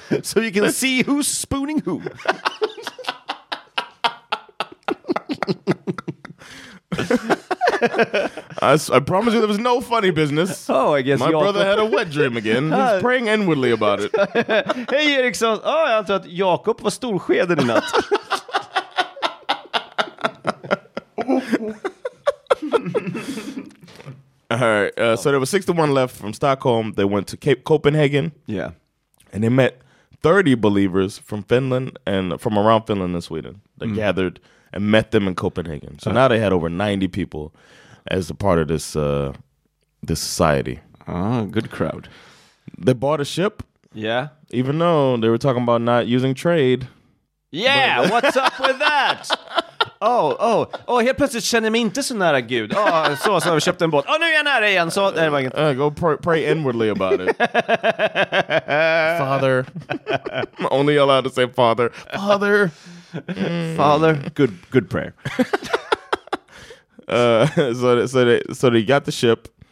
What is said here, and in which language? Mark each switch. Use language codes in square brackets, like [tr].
[en] So you can see who's spooning who. I promise you there was no funny business. Oh, I guess my brother had a wet dream again. He's praying inwardly about it. Hey, Eriksson. [sv] Oh, jag antar att Jakob var storskeden i natt. [en] All right. So there were 61 left from Stockholm. They went to Cape Copenhagen. Yeah. And they met 30 believers from Finland and from around Finland and Sweden. They gathered and met them in Copenhagen. So now they had over 90 people as a part of this this society. Ah, good crowd. They bought a ship. Yeah. Even though they were talking about not using trade. Yeah, but what's up with that? [sv] Oh, helt plötsligt känner jag mig inte så nära Gud. Oh, så har vi köpt en båt. Oh, nu är jag nära igen. Så, det var inget. [en] Go pray inwardly about it. Father. I'm only allowed to say father. Father. Father, good prayer. So they got the ship.